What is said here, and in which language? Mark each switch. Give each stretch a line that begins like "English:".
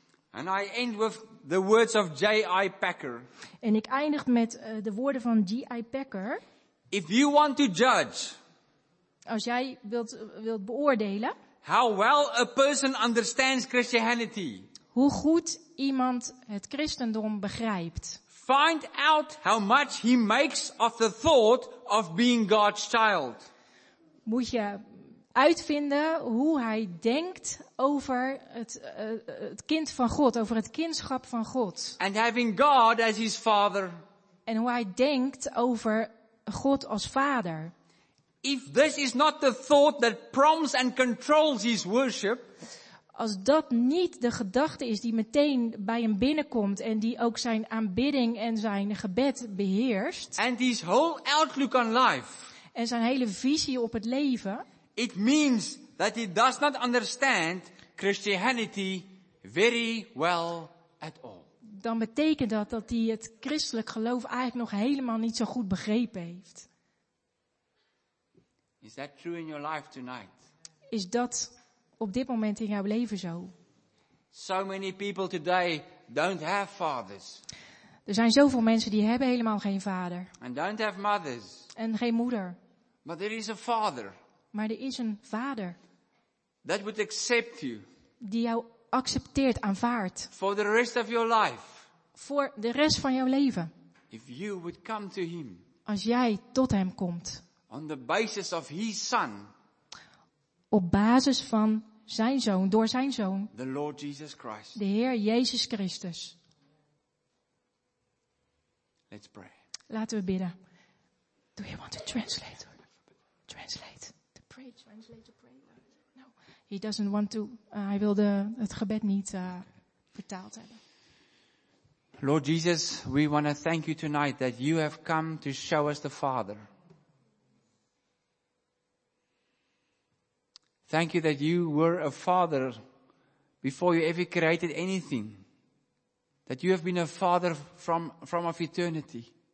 English: And I end with the words of J.I. Packer.
Dutch: En ik eindig met de woorden van J.I. Packer.
English: If you want to judge,
Dutch: als jij wilt beoordelen,
English: how well a person understands Christianity,
Dutch: hoe goed iemand het christendom begrijpt,
English: find out how much he makes of the thought of being God's child.
Dutch: Moet je uitvinden hoe hij denkt over het kind van God, over het kindschap van God.
English: And having God as his father.
Dutch: En hoe hij denkt over God als vader.
English: If this is not the thought that prompts and controls his worship.
Dutch: Als dat niet de gedachte is die meteen bij hem binnenkomt en die ook zijn aanbidding en zijn gebed beheerst.
English: And his whole outlook on life.
Dutch: En zijn hele visie op het leven.
English: It means that he does not understand Christianity very well at all.
Dutch: Dan betekent dat hij het christelijk geloof eigenlijk nog helemaal niet zo goed begrepen heeft.
English: Is that true in your life tonight?
Dutch: Is dat op dit moment in jouw leven zo?
English: So many people today don't have fathers.
Dutch: Er zijn zoveel mensen die hebben helemaal geen vader.
English: And don't have mothers.
Dutch: En geen moeder.
English: But there is a father.
Dutch: Maar er is een vader.
English: That would accept you.
Dutch: Die jou accepteert, aanvaardt.
English: For the rest of your life.
Dutch: Voor de rest van jouw leven.
English: If you would come to him.
Dutch: Als jij tot hem komt.
English: On the basis of his son.
Dutch: Op basis van zijn zoon, door zijn zoon.
English: The Lord Jesus Christ.
Dutch: De Heer Jezus Christus.
English: Let's pray.
Dutch: Laten we bidden.
English: Do you want to translate? Translate. Pray, translate to pray. No. he doesn't want to.
Dutch: Hij wilde het gebed niet vertaald hebben.
English: Lord Jesus, we want to thank you tonight that you have come to show us the Father. Thank you that you were a father before you ever created anything. That you have been a father from of eternity.